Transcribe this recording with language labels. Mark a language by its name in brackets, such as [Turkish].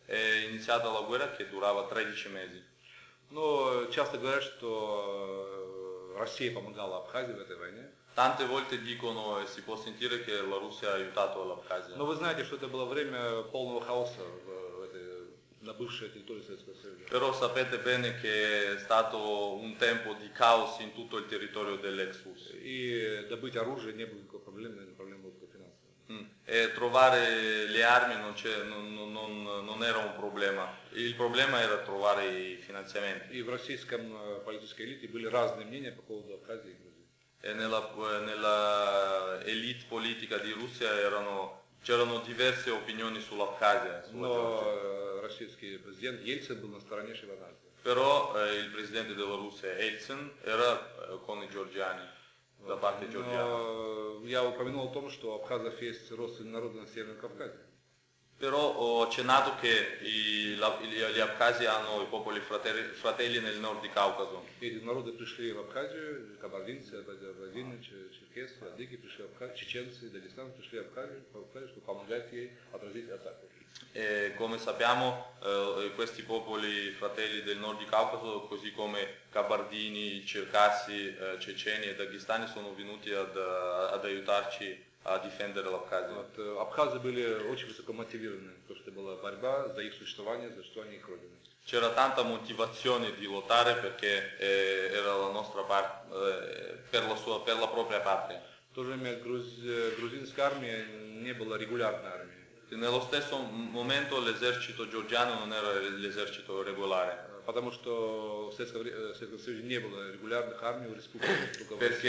[Italian] È iniziata la guerra che durava 13 mesi. [Russian] Но часто говорят, что Россия помогала Абхазии в этой войне. [Italian] Tante volte dicono e si può sentire che la Russia ha aiutato l'Abkhazia. [Russian] Но вы знаете, что это было время полного хаоса на бывшей территории Советского Союза. [Italian] Però sapete bene che è stato un tempo di caos in tutto il territorio dell'ex URSS. [Russian] И добыть оружие не было никакой проблемы, проблема была финансовая. [Italian] E trovare le armi non era un problema. Il problema era trovare i finanziamenti. [Russian] И в российском политической элите были разные мнения по поводу Абхазии и Грузии. [Italian] E nella elite politica di Russia c'erano diverse opinioni sull'Abkhazia. [Russian] Но российский президент Ельцин был на стороне Шеварднадзе. [Italian] Però il presidente della Russia Ельцин era con i georgiani. [Russian] Да, партия Джорджия. Я упомянул о том, что у абхазов есть родственные народы на Северном Кавказе. [Italian] Però ho accennato che gli abkhazi hanno i popoli fratelli nel nord di Caucaso. [Russian] Эти народы пришли в Абхазию, кабардинцы, азербайджанцы, черкесы, адыги пришли в Абхазию, чеченцы, дагестанцы пришли в Абхазию, чтобы помогать ей отразить атаку. [Italian] E come sappiamo, questi popoli fratelli del nord di Caucaso, così come Kabardini, Cercassi, Ceceni e Daghestani, sono venuti ad aiutarci a difendere l'Abkhazia. [Russian] Абхазы были очень высоко мотивированы, потому что была борьба за их существование, за существование их родины. [Italian] C'era tanta motivazione di lottare perché era la nostra parte, per la propria patria. [Russian] В то же время грузинская армия не была регулярной армией. [Italian] Nello stesso momento l'esercito georgiano non era l'esercito regolare. [Russian] Потому что в Советском Союзе не было регулярных армий у республики, только в России и Украине.